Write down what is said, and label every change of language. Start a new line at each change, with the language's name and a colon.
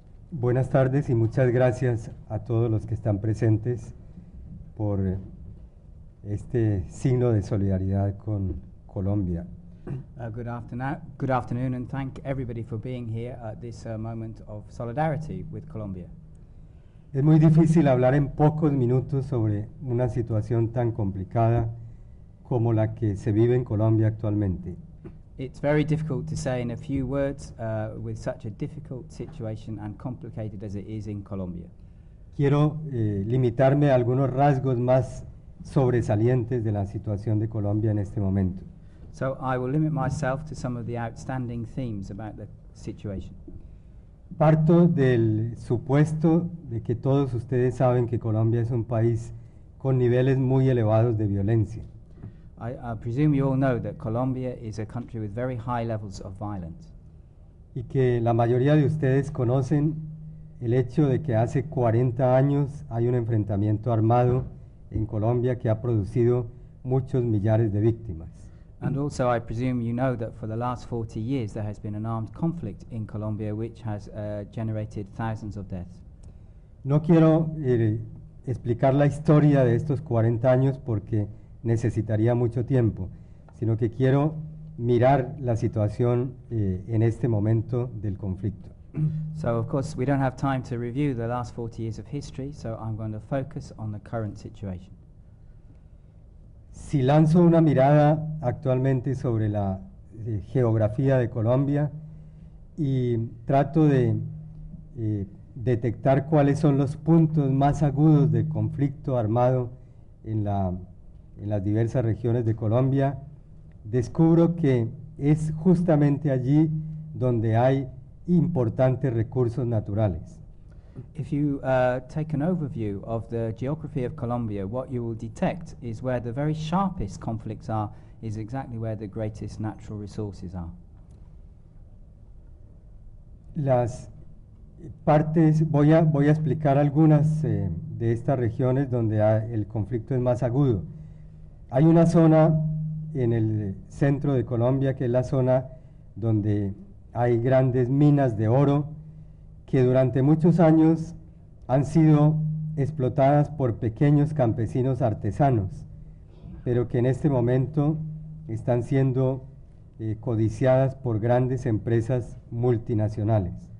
Spanish: Buenas tardes y muchas gracias a todos los que están presentes por este signo de solidaridad con Colombia.
English: Good afternoon and thank everybody for being here at this moment of solidarity with Colombia.
Spanish: Es muy difícil hablar en pocos minutos sobre una situación tan complicada como la que se vive en Colombia actualmente.
English: It's very difficult to say in a few words with such a difficult situation and complicated as it is in Colombia.
Spanish: Quiero limitarme a algunos rasgos más sobresalientes de la situación de Colombia en este momento.
English: So I will limit myself to some of the outstanding themes about the situation.
Spanish: Parto del supuesto de que todos ustedes saben que Colombia es un país con niveles muy elevados de violencia.
English: I presume you all know that Colombia is a country with very high levels of violence.
Spanish: Y que la mayoría de ustedes conocen el hecho de que hace 40 años hay un enfrentamiento armado en Colombia que ha producido muchos millares de víctimas.
English: And also I presume you know that for the last 40 years there has been an armed conflict in Colombia which has generated thousands of deaths.
Spanish: No quiero explicar la historia de estos 40 años porque necesitaría mucho tiempo, sino que quiero mirar la situación en este momento del conflicto.
English: So of course we don't have time to review the last 40 years of history, so I'm going to focus on the current situation.
Spanish: Si lanzo una mirada actualmente sobre la geografía de Colombia y trato de detectar cuáles son los puntos más agudos de conflicto armado en las diversas regiones de Colombia, descubro que es justamente allí donde hay importantes recursos naturales.
English: If you take an overview of the geography of Colombia, what you will detect is where the very sharpest conflicts are, is exactly where the greatest natural resources are.
Spanish: Las partes, voy a explicar algunas de estas regiones donde el conflicto es más agudo. Hay una zona en el centro de Colombia, que es la zona donde hay grandes minas de oro que durante muchos años han sido explotadas por pequeños campesinos artesanos, pero que en este momento están siendo codiciadas por grandes empresas multinacionales.